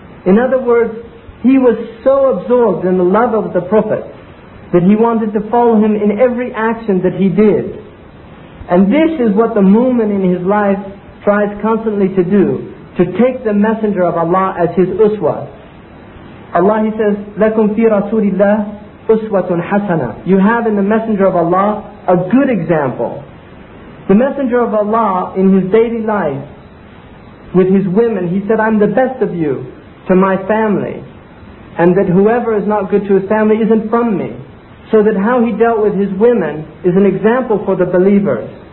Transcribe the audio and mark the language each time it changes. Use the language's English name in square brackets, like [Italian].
[English] In other words, he was so absorbed in the love of the Prophet that he wanted to follow him in every action that he did. And this is what the Mu'min in his life tries constantly to do, to take the Messenger of Allah as his uswa. Allah, he says, [Arabic] لَكُمْ فِي رَسُولِ اللَّهِ أُسْوَةٌ حَسَنًا. [English] You have in the Messenger of Allah a good example. The Messenger of Allah in his daily life with his women, he said, I'm the best of you to my family, and that whoever is not good to his family isn't from me. So that how he dealt with his women is an example for the believers.